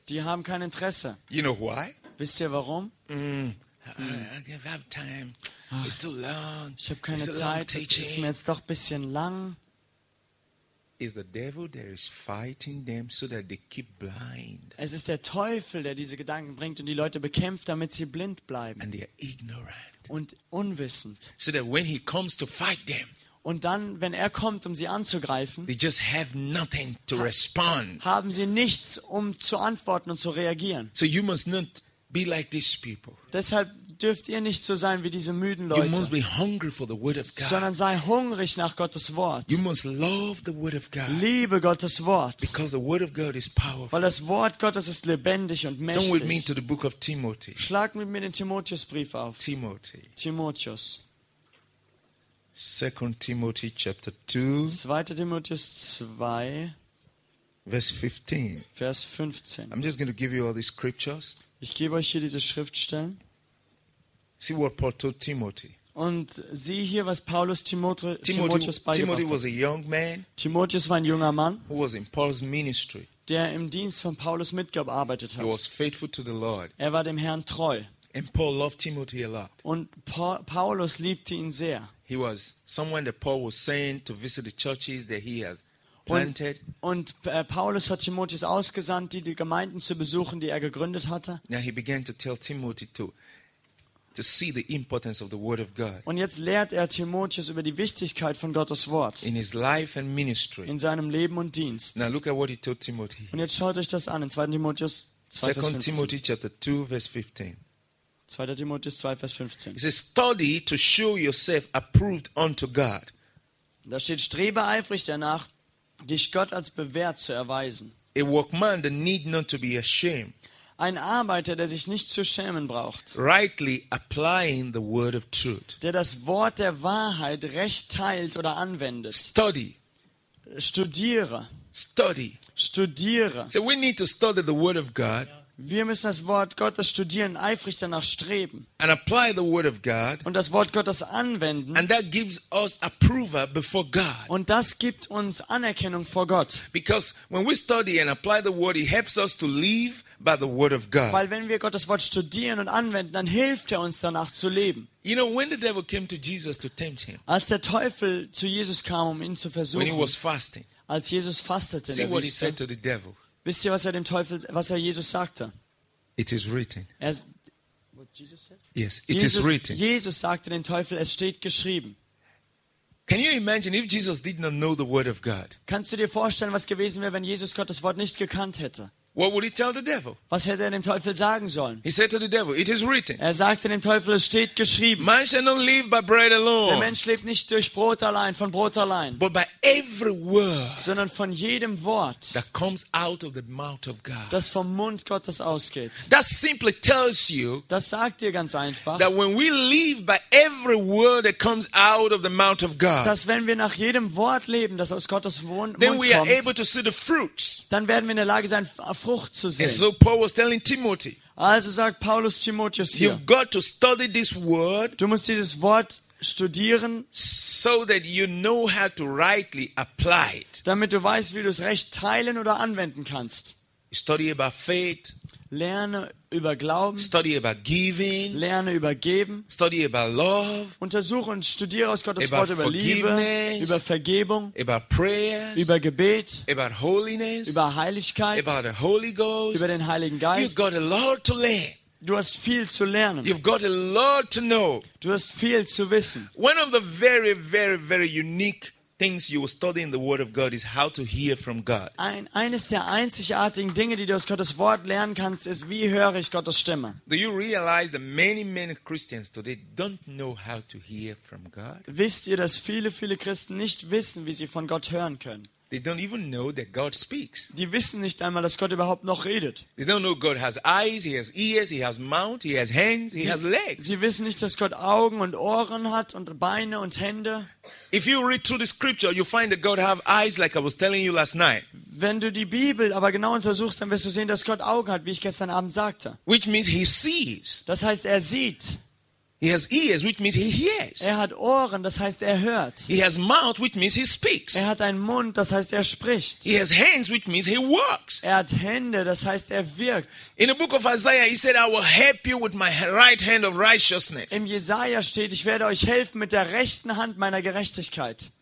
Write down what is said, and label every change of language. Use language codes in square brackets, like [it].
[de] Die haben kein Interesse. [en] You know why? [de] Wisst ihr warum? [en] I have time. It's too long. [de] Ich habe keine Zeit. Es ist mir jetzt doch ein bisschen lang. [en] Is the devil that is fighting them so that they keep blind? [de] Es ist der Teufel, der diese Gedanken bringt und die Leute bekämpft, damit sie blind bleiben. [en] And they are ignorant. [de] Und unwissend. [en] So that when he comes to fight them. [de] Und dann, wenn er kommt, um sie anzugreifen, [en] they just have nothing to respond. [de] Haben sie nichts, um zu antworten und zu reagieren. [en] So you must not be like these people. [de] Deshalb dürft ihr nicht so sein wie diese müden Leute. [en] You must be hungry for the word of God. [de] Sondern sei hungrig nach Gottes Wort. [en] You must love the word of God. [de] Liebe Gottes Wort. [en] Because the word of God is powerful. [de] Weil das Wort Gottes ist lebendig und mächtig. [en] Turn with me to the book of Timothy. [de] Schlag mit mir den Timotheusbrief auf. [en] Timotheus. 2 Timothy chapter 2, [de] 2. Timotheus 2, Vers 15. [en] I'm just going to give you all these scriptures. [de] Ich gebe euch hier diese Schriftstellen. [en] See what Paul told Timothy. [de] Und sieh hier, was Paulus Timotheus beigebracht [en] hat. Timothy was a young man. [de] Timotheus war ein junger Mann. [en] Who was in Paul's ministry. [de] Der im Dienst von Paulus mitgearbeitet hat. [en] He was faithful to the Lord. [de] Er war dem Herrn treu. [en] And Paul loved Timothy a lot. [de] Und Paulus liebte ihn sehr. [en] He was someone that Paul was sent to visit the churches that he had planted. [de] Und Paulus hat Timotheus ausgesandt, die Gemeinden zu besuchen, die er gegründet hatte. [en] Now he began to tell Timothy to see the importance of the word of God. [de] Und jetzt lehrt er Timotheus über die Wichtigkeit von Gottes Wort. [en] In his life and ministry. [de] In seinem Leben und Dienst. [en] Now look at what he told Timothy. [de] Und jetzt schaut euch das an in 2. Timotheus 2, [en] 2 Timothy chapter 2 verse 15. [de] 2. Timotheus 2, Vers 15. [en] It says, study to show yourself approved unto God. [de] Da steht, strebe eifrig danach, dich Gott als bewährt zu erweisen. [en] A workman that need not to be ashamed. [de] Ein Arbeiter, der sich nicht zu schämen braucht. [en] Rightly applying the word of truth. [de] Der das Wort der Wahrheit recht teilt oder anwendet. [en] Study. [de] Studiere. [en] Study. [de] Studiere. [en] So we need to study the word of God. [de] Wir müssen das Wort Gottes studieren, eifrig danach streben. [en] And apply the word of God, [de] und das Wort Gottes anwenden. [en] And that gives us approval before God. [de] Und das gibt uns Anerkennung vor Gott. [en] Because when we study and apply the word, it helps us to live by the word of God. [de] Weil wenn wir Gottes Wort studieren und anwenden, dann hilft er uns danach zu leben. [en] You know, when the devil came to Jesus to tempt him. [de] Als der Teufel zu Jesus kam, um ihn zu versuchen. [en] When he was fasting. [de] als Jesus fastete in [en] See [de] der Wüste. [en] What he said to the devil. [de] Wisst ihr, was er dem Teufel, was er Jesus sagte? [en] It is written. What Jesus said? Yes, it is written. [de] Jesus sagte dem Teufel, es steht geschrieben. [en] Can you imagine if Jesus did not know the word of God? [de] Kannst du dir vorstellen, was gewesen wäre, wenn Jesus Gottes Wort nicht gekannt hätte? [en] What would he tell the devil? [de] Was hätte er dem Teufel sagen sollen? [en] He said to the devil, "It is written." [de] Er sagte dem Teufel, es steht geschrieben. [en] Man shall not live by bread alone. [de] Der Mensch lebt nicht durch Brot allein, von Brot allein. [en] But by every word. [de] Sondern von jedem Wort. [en] That comes out of the mouth of God. [de] Das vom Mund Gottes ausgeht. [en] That simply tells you. [de] Das sagt dir ganz einfach. [en] That when we live by every word that comes out of the mouth of God. [de] Dass wenn wir nach jedem Wort leben, das aus Gottes Mund kommt. [en] Then we are able to see the fruits. [de] Dann werden wir in der Lage sein, Frucht zu sehen. [en] And so Paul was telling Timothy, [de] also sagt Paulus Timotheus hier, [en] you've got to study this word, [de] du musst dieses Wort studieren, [en] so that you know how to rightly apply it. [de] Damit du weißt, wie du es recht teilen oder anwenden kannst. [en] Study about faith, [de] lerne über Glauben, [en] study about giving, [de] lerne über Geben, [en] study about love, [de] untersuche und studiere aus Gottes Wort über Liebe, über Vergebung, [en] about prayers, [de] über Gebet, [en] about holiness, [de] über Heiligkeit, [en] about the Holy Ghost, [de] über den Heiligen Geist. [en] You've got a lot to learn. [de] Du hast viel zu lernen. [en] You've got a lot to know. [de] Du hast viel zu wissen. [en] One of the very, very, very unique things you will study in the Word of God is how to hear from God. [de] Eines der einzigartigen Dinge, die du aus Gottes Wort lernen kannst, ist, wie höre ich Gottes Stimme? [en] Do you realize that many, many Christians today don't know how to hear from God? [de] Wisst ihr, dass viele, viele Christen nicht wissen, wie sie von Gott hören können? [en] They don't even know that God speaks. [de] Die wissen nicht einmal, dass Gott überhaupt noch redet. [en] They don't know God has eyes, he has ears, he has mouth, he has hands, he has legs. [de] Sie wissen nicht, dass Gott Augen und Ohren hat und Beine und Hände. [en] If you read through the scripture, you find that God have eyes like I was telling you last night. [de] Wenn du die Bibel aber genau untersuchst, dann wirst du sehen, dass Gott Augen hat, wie ich gestern Abend sagte. [en] Which means he sees. [de] Das heißt, er sieht. [en] He has ears, which means he hears. [de] Er hat Ohren, das heißt, er hört. [en] He has mouth, which means he speaks. [de] Er hat einen Mund, das heißt, er spricht. [en] He has hands, which means he works. [de] Er hat Hände, das heißt, er wirkt. [en] In the book of Isaiah, he said, "I will help you with my right hand of righteousness." [de] Im Jesaja steht, ich werde euch helfen mit der rechten Hand meiner Gerechtigkeit.